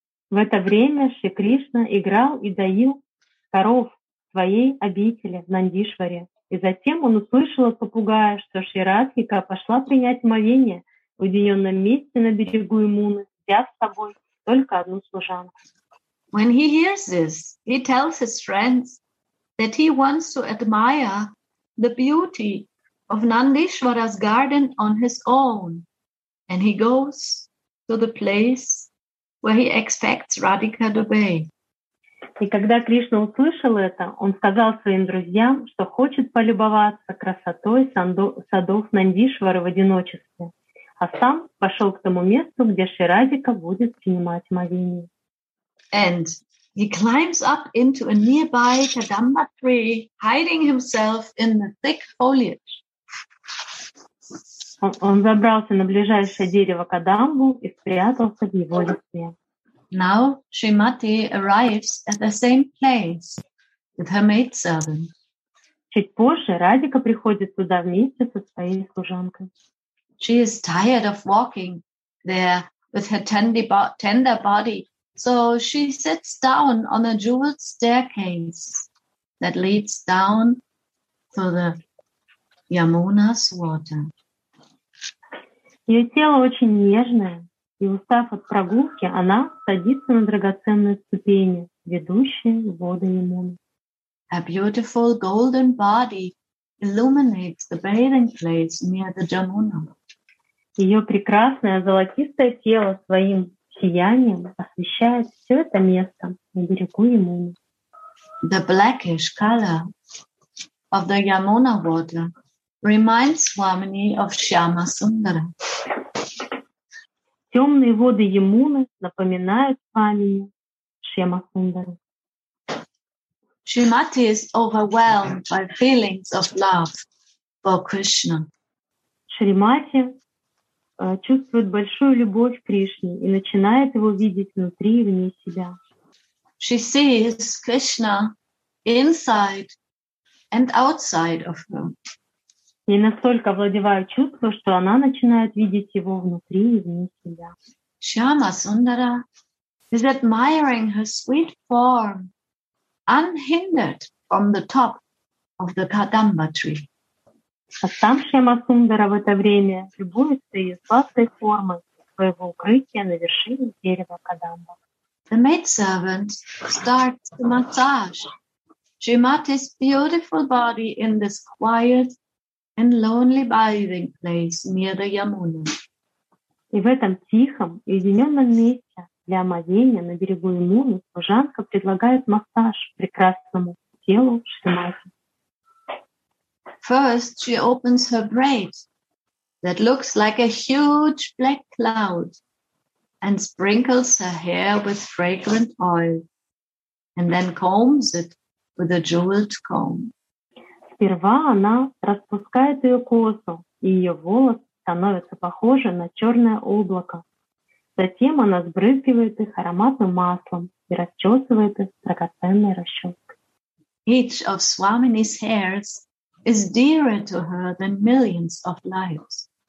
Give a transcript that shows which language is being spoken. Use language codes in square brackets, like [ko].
[ru] В это время Шри Кришна играл и доил коров своей обители в Нандишваре. И затем он услышал от попугая, что Шри Радхика пошла принять омовение в уединенном месте на берегу Имуны, взяв с собой только одну служанку. [en] When he hears this, he tells his friends that he wants to admire the beauty of Nandishvara's garden on his own. And he goes to the place where he expects Radhika to bathe. [ru] И когда Кришна услышал это, он сказал своим друзьям, что хочет полюбоваться красотой садов Нандишвары в одиночестве, а сам пошел к тому месту, где Шри Радхика будет принимать омовение. [en] And he climbs up into a nearby Kadamba tree, hiding himself in the thick foliage. [ru] Он забрался на ближайшее дерево Кадамбу и спрятался в его листве. [en] Now Shrimati arrives at the same place with her maidservant. [ru] Чуть позже Радика приходит туда вместе со своей служанкой. [en] She is tired of walking there with her tender body, so she sits down on a jeweled staircase that leads down to the Yamuna's water. [ru] Ее тело очень нежное, и устав от прогулки, она садится на драгоценные ступени, ведущие в воду Ямуны. [en] A beautiful golden body illuminates the bathing place near the Yamuna. [ru] Ее прекрасное золотистое тело своим сиянием освещает все это место на берегу Ямуны. [en] The blackish color of the Yamuna water reminds Swamini of Shyama Sundara. [ru] Темные воды Ямуны напоминают Свамини Шьяма Сундару. [en] Шримати is overwhelmed by feelings of love for Krishna. [ru] Шримати чувствует большую любовь к Кришне и начинает его видеть внутри и вне себя. [en] She sees Krishna inside and outside of her. [ru] ей настолько овладевает чувство, что она начинает видеть его внутри и вне себя. [en] Shyama Sundara is admiring her sweet form, unhindered from the top of the Kadamba tree. [ru] А там Шьяма Сундара в это время любуется ее сладкой формой своего укрытия на вершине дерева Кадамба. [en] The maidservant starts to massage Shrimati's beautiful body in this quiet and lonely bathing place near the Yamuna. [ru] И в этом тихом и уединенном месте для омовения на берегу Ямуны служанка предлагает массаж прекрасному телу Шримати. [en] First, she opens her braid that looks like a huge black cloud and sprinkles her hair with fragrant oil and then combs it with a jeweled comb. [ru] Сперва она распускает ее косу, и ее волосы становятся похожи на черное облако. Затем она сбрызгивает их ароматным маслом и расчесывает их драгоценной расческой. [en] Each of Swamini's hairs is dearer to her than millions of lives.